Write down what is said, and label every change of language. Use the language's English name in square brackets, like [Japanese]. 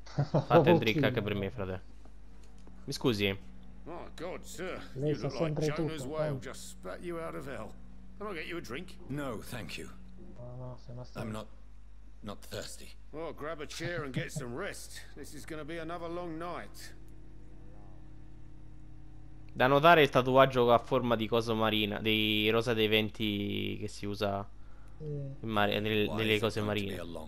[Italian] Fate il drink anche per me, frate. Mi scusi. [English] Oh god, sir. You look like Jonah's whale just spat you out of hell. Can I get you a drink? No, thank you. I'm not thirsty. Well, grab a chair and get some rest. This is gonna be another long night. [Italian] Da notare il tatuaggio a forma di coso marina, di rosa dei venti che si usa in mare, nelle cose marine.